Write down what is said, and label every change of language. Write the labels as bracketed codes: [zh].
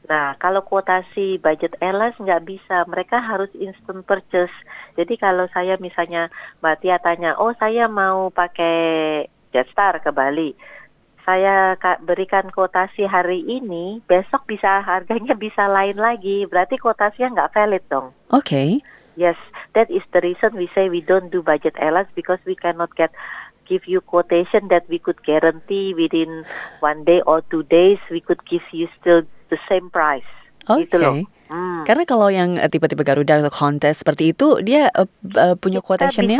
[id] Nah, kalau kuotasi budget airlines nggak bisa, mereka harus instant purchase. Jadi kalau saya misalnya Mbak Tia tanya, oh saya mau pakai Jetstar ke Bali, saya berikan kuotasi hari ini, besok bisa harganya bisa lain lagi, berarti kuotasinya nggak valid dong. [en] Okay. Yes, that is the reason we say we don't do budget airlines because we cannot get give you quotation that we could guarantee within one day or two days we could give you still the same price. [id] Okay. Gitu loh. Karena kalau yang tipe-tipe Garuda atau Qantas seperti itu dia punya quotationnya.